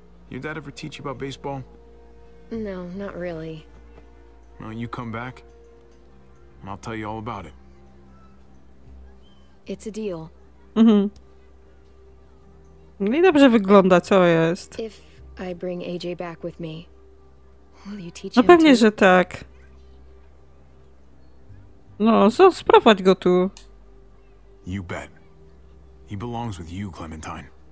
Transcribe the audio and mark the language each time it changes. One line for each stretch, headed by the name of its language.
English: Your dad ever teach you about baseball? No, not really. Well, you come back, and I'll tell you all about it. It's a deal. Mhm.
Polish: No i dobrze wygląda, co jest.
English: If I bring AJ back with me, will you teach
Polish: him? No pewnie, że tak. No, sprowadź go tu.
English: You bet. He belongs with you, Clementine.